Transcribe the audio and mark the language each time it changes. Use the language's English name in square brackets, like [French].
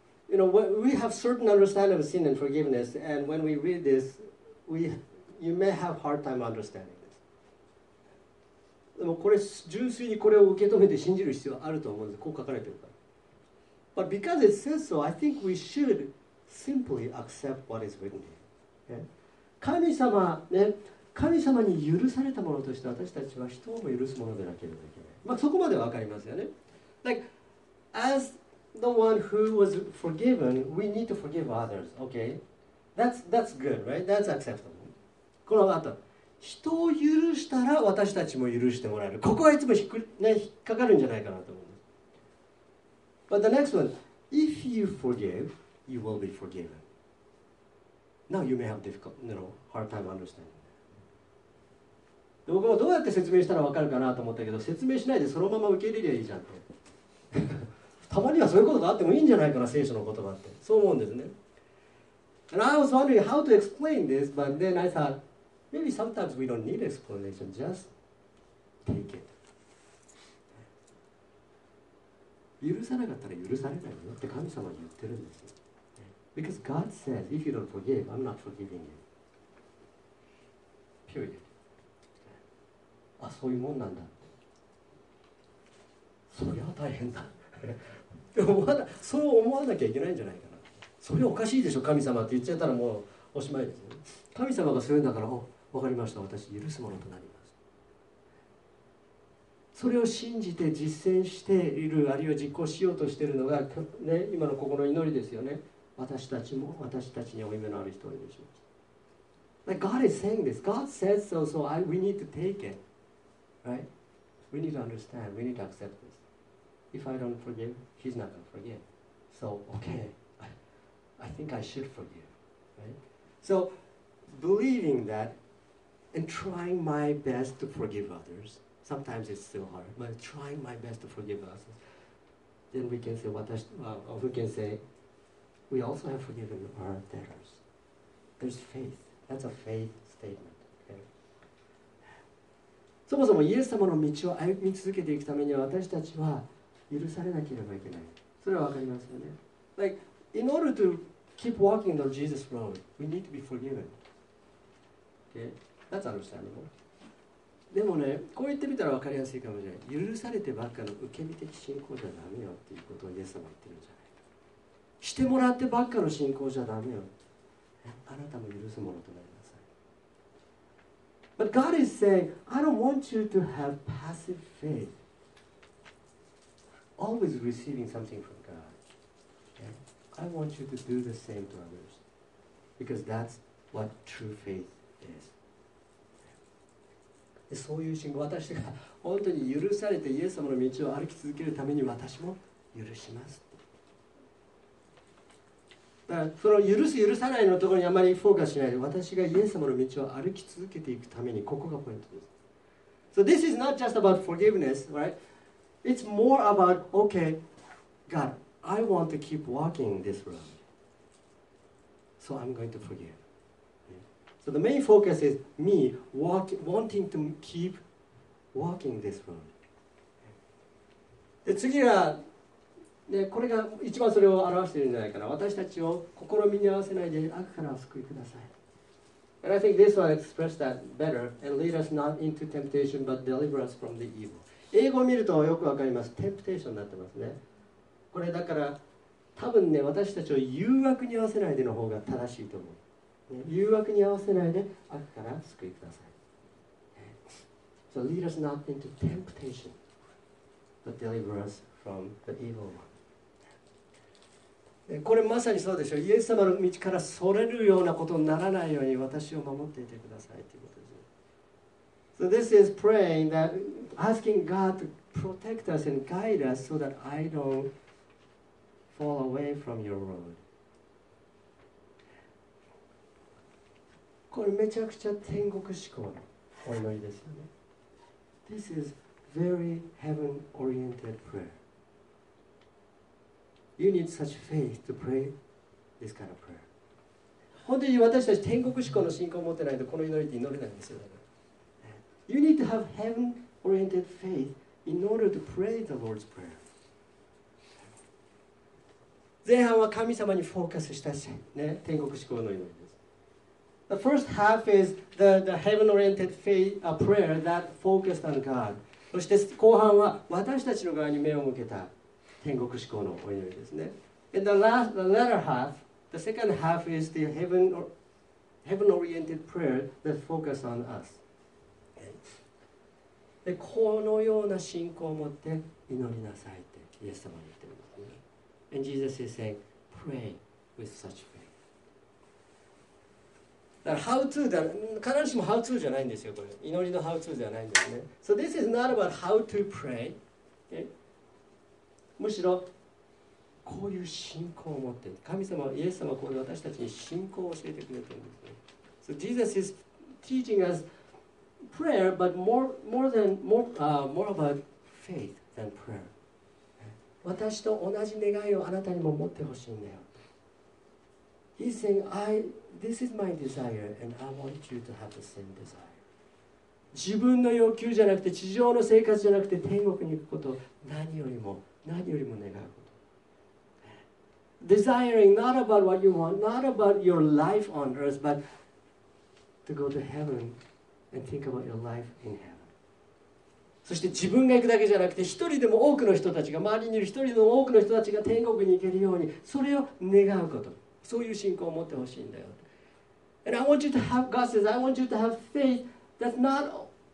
[English] You know, we have certain understanding of sin and forgiveness, and when we read this, you may have hard time understanding this. [Japanese] でもこれ、純粋にこれを受け止めて信じる必要あると思うんです。こう書かれてるから。 [English] But because it says so, I think we should simply accept what is written here. [Japanese] 神様、ね、神様に許されたものとして私たちは人をも許すものでなければいけない。まあ、そこまでは分かりますよね。 [English] Like, as the one who was forgiven, we need to forgive others, okay? That's good, right? That's acceptable. [Japanese] この後、人を許したら私たちも許してもらえる。ここはいつも引っかかるんじゃないかなと思う。 [English] But the next one, if you forgive, you will be forgiven. Now you may have difficult, you know, hard time understanding. [Japanese] 僕もどうやって説明したら分かるかなと思ったけど、説明しないでそのまま受け入れりゃいいじゃんって。たまにはそういうことがあってもいいんじゃないかな、聖書の言葉って。そう思うんですね。 [English] And I was wondering how to explain this, but then I thought, maybe sometimes we don't need explanation, just take it. [Japanese] 許さなかったら許されないよって神様は言ってるんですよ。 [English] Because God says, if you don't forgive, I'm not forgiving you. Period. [Japanese] あ、そういうもんなんだ。そりゃ大変だ。でもまだそう思わなきゃいけないんじゃないかな。それおかしいでしょ、神様って言っちゃったらもうおしまいですよ。神様がそういうんだから、お、わかりました。私許すものとなります。それを信じて実践している、あるいは実行しようとしているのが、ね、今のここの祈りですよね。私たちも、私たちにお夢のある人を許します。 [English] Like、God is saying this. God says so, so I, we need to take it. Right? We need to understand. We need to accept this. If I don't forgive, He's not going to forgive. So, okay. I think I should forgive. Right? So, believing that and trying my best to forgive others, sometimes it's still hard, but trying my best to forgive others, then we can say, we also have forgiven our debtors. There's faith. That's a faith statement. Okay? [Japanese] そもそもイエス様の道を歩み続けていくためには私たちは許されなければいけない。それはわかりますよね。 [English] Like, in order to keep walking the Jesus road, we need to be forgiven. Okay? That's understandable. [Japanese] でもね、こう言ってみたら分かりやすいかもしれない。許されてばっかの受け身的信仰じゃダメよっていうことをイエス様は言ってるんじゃない。してもらってばっかの信仰じゃダメよ。あなたも許すものとなりなさい。 [English] But God is saying, I don't want you to have passive faith. Always receiving something from God.、Okay? I want you to do the same to others. Because that's what true faith is. [Japanese] そういう信仰、私が本当に許されてイエス様の道を歩き続けるために私も許します。だからその許す許さないのところにあまりフォーカスしないで、私がイエス様の道を歩き続けていくために、ここがポイントです。 [English] So this is not just about forgiveness, right? It's more about, okay, God, I want to keep walking this road. So I'm going to forgive. So the main focus is me wanting to keep walking this road. [Japanese] で次は、ね、これが一番それを表しているんじゃないかな。私たちを試みに合わせないで悪からお救いください。 [English] And I think this one expressed that better. And lead us not into temptation, but deliver us from the evil. [Japanese] 英語を見るとよくわかります。 Temptation になってますね。これだから多分ね、私たちを誘惑に合わせないでの方が正しいと思う。誘惑に合わせないで悪から救いください。 [English] So lead us not into temptation, but deliver us from the evil one. [Japanese] これまさにそうでしょう。イエス様の道からそれるようなことにならないように私を守っていてくださいということです。 [English] So this is praying that asking God to protect us and guide us so that I don't fall away from your road. [Japanese] これめちゃくちゃ天国志向のお祈りですよね。 [English] This is very heaven-oriented prayer. You need such faith to pray this kind of prayer. [Japanese] 本当に私たち天国志向の信仰を持ってないとこの祈りって祈れないんですよ。 [English] You need to have heaven-oriented faith in order to pray the Lord's prayer. [Japanese] 前半は神様にフォーカスしたし、ね、天国志向の祈り。 [English] The first half is the heaven-oriented faith, a prayer that focused on God. [Japanese] そして後半は私たちの側に目を向けた天国志向のお祈りですね。 [English] And the second half is the heaven-oriented prayer that focused on us. [Japanese] でこのような信仰を持って祈りなさいってイエス様に言ってるんですね。 [English] And Jesus is saying, pray with such faith. [Japanese] だから how to だ、必ずしも how to じゃないんですよ、これ。祈りの how to じゃないんですね。 [English] So this is not about how to pray.、Okay? [Japanese] むしろ、こういう信仰を持って、神様、イエス様はこう私たちに信仰を教えてくれているんですね。 [English] So Jesus is teaching us prayer, but more about faith than prayer. [Japanese] 私と同じ願いをあなたにも持ってほしいんだよ。 [English] He's saying, this is my desire, and I want you to have the same desire. [Japanese] 自分の欲求じゃなくて、地上の生活じゃなくて、天国に行くこと、何よりも願うこと。 [English] Desiring not about what you want, not about your life on earth, but to go to heaven and think about your life in heaven. [Japanese] そして自分が行くだけじゃなくて、一人でも多くの人たちが、周りにいる一人でも多くの人たちが天国に行けるように、それを願うこと。そういう信仰を持ってほしいんだよ。 [English] And I want you to have, God says, I want you to have faith that's not